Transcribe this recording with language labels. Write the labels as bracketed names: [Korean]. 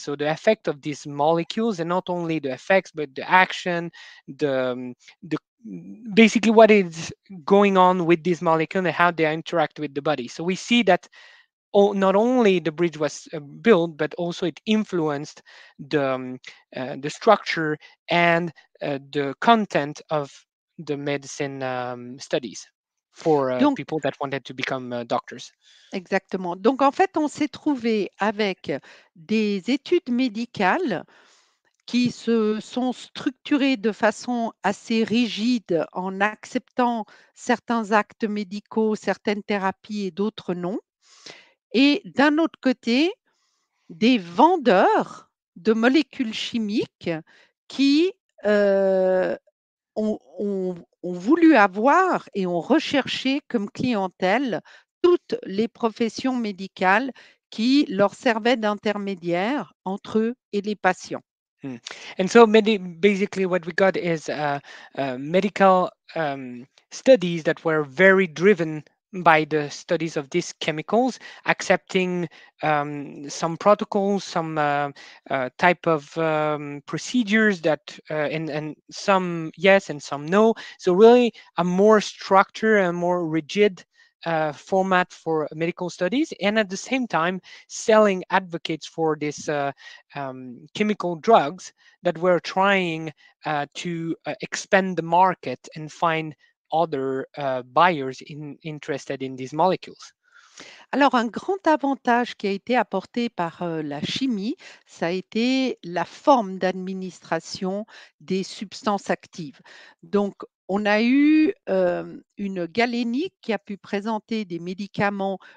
[English] So the effect of these molecules, and not only the effects, but the action, the basically what is going on with these molecules and how they interact with the body. So we see that not only the bridge was built, but also it influenced the structure and the content of the medicine studies. For [French] Donc, [English] people that wanted to become doctors. [French] exactement. Donc, en fait, on s'est trouvé avec des études médicales qui se sont structurées de façon assez rigide en acceptant certains actes médicaux, certaines thérapies et d'autres non. Et d'un autre côté, des vendeurs de molécules chimiques qui ont voulu avoir et ont recherché comme clientèle toutes les professions médicales qui leur servaient d'intermédiaire entre eux et les patients. [English] And so basically what we got is medical studies that were very driven by the studies of these chemicals, accepting some protocols, some type of procedures that and some yes and some no. So really a more structured and more rigid format for medical studies, and at the same time selling advocates for this chemical drugs that were trying to expand the market and find other buyers interested in these molecules. [French] Alors, un grand avantage qui a été apporté par la chimie, ça a été la forme d'administration des substances actives. Donc, on a eu une galénique qui a pu présenter des médicaments.